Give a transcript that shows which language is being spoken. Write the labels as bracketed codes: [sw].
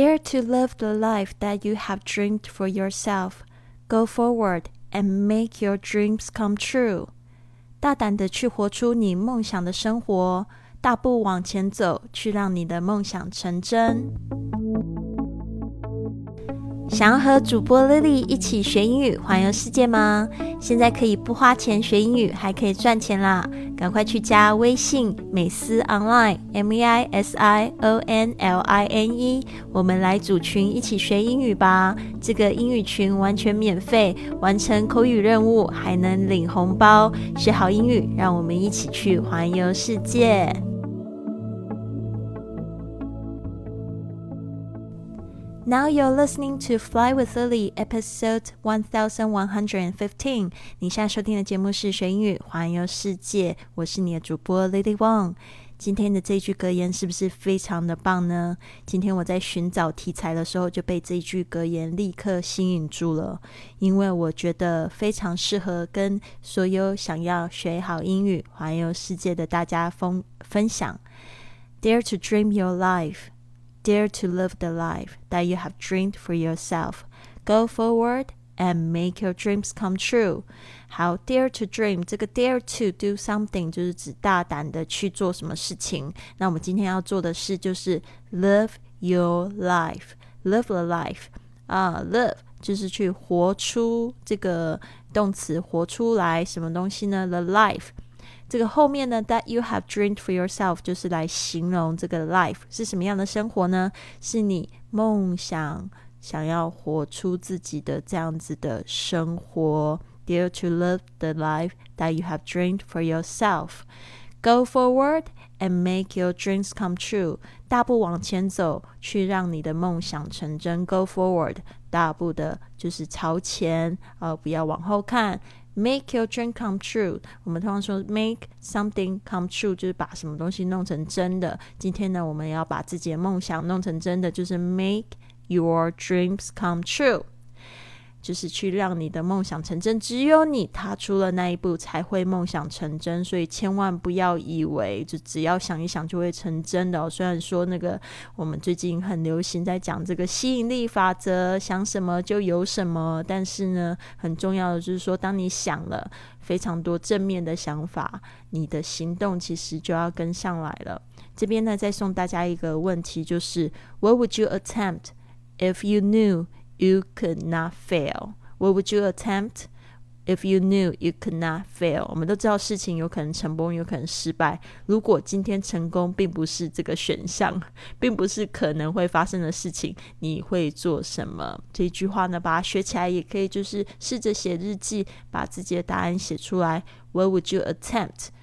[en] Dare to live the life that you have dreamed for yourself. Go forward and make your dreams come true. [zh] 大胆地去活出你梦想的生活，大步往前走，去让你的梦想成真。想要和主播 Lily 一起学英语环游世界吗？现在可以不花钱学英语，还可以赚钱啦！赶快去加微信美思 online MEISIONLINE， 我们来组群一起学英语吧。这个英语群完全免费，完成口语任务还能领红包，学好英语，让我们一起去环游世界。 [en] Now you're listening to Fly with Lily, episode 1115. [zh] 你现在收听的节目是学英语环游世界，我是你的主播 Lily Wong。今天的这句格言是不是非常的棒呢？今天我在寻找题材的时候就被这句格言立刻吸引住了，因为我觉得非常适合跟所有想要学好英语环游世界的大家分享。 [en] Dare to dream your lifeDare to live the life that you have dreamed for yourself. Go forward and make your dreams come true. [zh] 好 ， [en] dare to dream [zh] 这个 [en] dare to do something [zh] 就是指大胆的去做什么事情。那我们今天要做的事就是 [en] live your life, live the life. [zh] 啊、live 就是去活出这个动词，活出来什么东西呢 ？ [en] The life. [zh] 这个后面呢 [en] that you have dreamed for yourself [zh] 就是来形容这个 life 是什么样的生活呢，是你梦想想要活出自己的这样子的生活。 [en] Dare to live the life that you have dreamed for yourself. Go forward and make your dreams come true. [zh] 大步往前走，去让你的梦想成真。 [en] Go forward， [zh] 大步的就是朝前、不要往后看。 [en] Make your dream come true， [zh] 我们通常说 [en] make something come true [zh] 就是把什么东西弄成真的。今天呢，我们要把自己的梦想弄成真的，就是 [en] make your dreams come true， [zh] 就是去让你的梦想成真。只有你踏出了那一步才会梦想成真，所以千万不要以为就只要想一想就会成真的、虽然说那个我们最近很流行在讲这个吸引力法则，想什么就有什么，但是呢很重要的就是说，当你想了非常多正面的想法，你的行动其实就要跟上来了。这边呢再送大家一个问题，就是 [en] What would you attempt if you knewYou could not fail. What would you attempt if you knew you could not fail? [zh] 我们都知道事情有可能成功，有可能失败。如果今天成功并不是这个选项，并不是可能会发生的事情，你会做什么？这一句话呢，把它学起来也可以，就是试着写日记，把自己的答案写出来。 [en] What would you attempt?